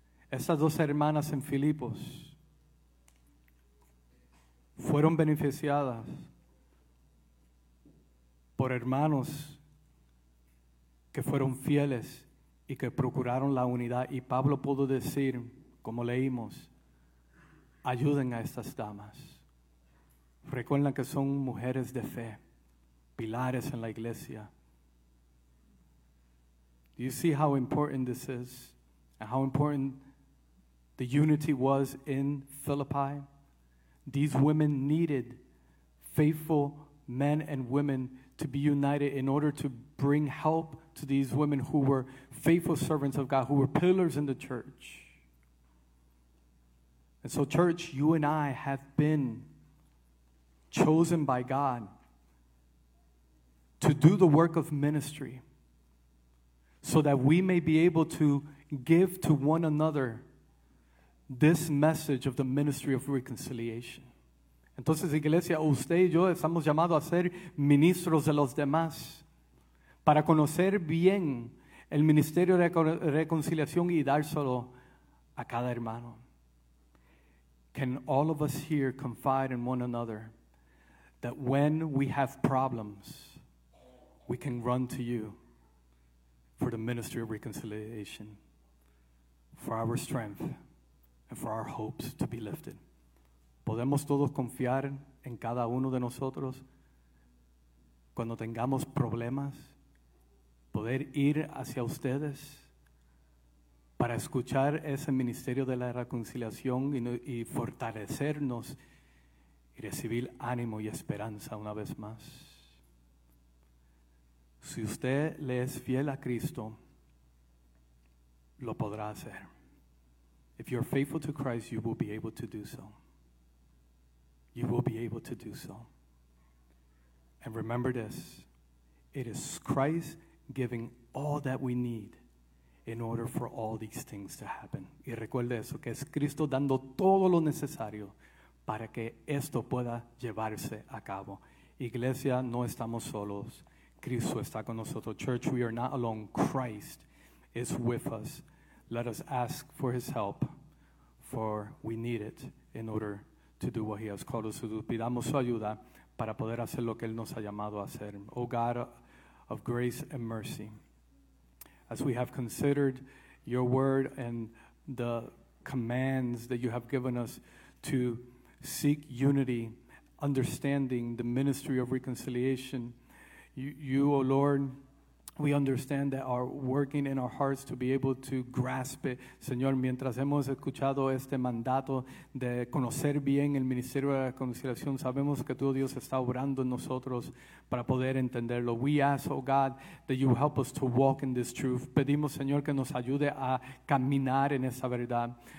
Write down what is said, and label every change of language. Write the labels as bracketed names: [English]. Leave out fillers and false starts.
[Spanish] Esas dos hermanas en Filipos fueron beneficiadas por hermanos que fueron fieles y que procuraron la unidad. Y Pablo pudo decir, como leímos, ayuden a estas damas. Recuerden que son mujeres de fe, pilares en la iglesia. [English] Do you see how important this is? And how important the unity was in Philippi? These women needed faithful men and women to be united in order to bring help to these women who were faithful servants of God, who were pillars in the church. And so, church, you and I have been chosen by God to do the work of ministry, so that we may be able to give to one another this message of the ministry of reconciliation. [Spanish] Entonces, iglesia, usted y yo estamos llamados a ser ministros de los demás, para conocer bien el ministerio de reconciliación y dárselo a cada hermano. [English] Can all of us here confide in one another that when we have problems, we can run to you for the ministry of reconciliation, for our strength, and for our hopes to be lifted? [Spanish] Podemos todos confiar en cada uno de nosotros cuando tengamos problemas, poder ir hacia ustedes para escuchar ese ministerio de la reconciliación y fortalecernos y recibir ánimo y esperanza una vez más. Si usted le es fiel a Cristo, lo podrá hacer. [English] If you're faithful to Christ, you will be able to do so. You will be able to do so. And remember this, it is Christ giving all that we need in order for all these things to happen. [Spanish] Y recuerde eso, que es Cristo dando todo lo necesario para que esto pueda llevarse a cabo. Iglesia, no estamos solos. Cristo está con nosotros. [English] Church, we are not alone. Christ is with us. Let us ask for his help, for we need it in order to do what he has called us to do. [Spanish] Pidamos su ayuda para poder hacer lo que él nos ha llamado a hacer. [English] Oh God of grace and mercy, as we have considered your word and the commands that you have given us to seek unity, understanding the ministry of reconciliation, You, O Lord, We understand that are working in our hearts to be able to grasp it. [Spanish] Señor, mientras hemos escuchado este mandato de conocer bien el ministerio de la reconciliación, sabemos que tú, Dios, está obrando en nosotros para poder entenderlo. [English] We ask, oh God, that you help us to walk in this truth. [Spanish] Pedimos, Señor, que nos ayude a caminar en esa verdad.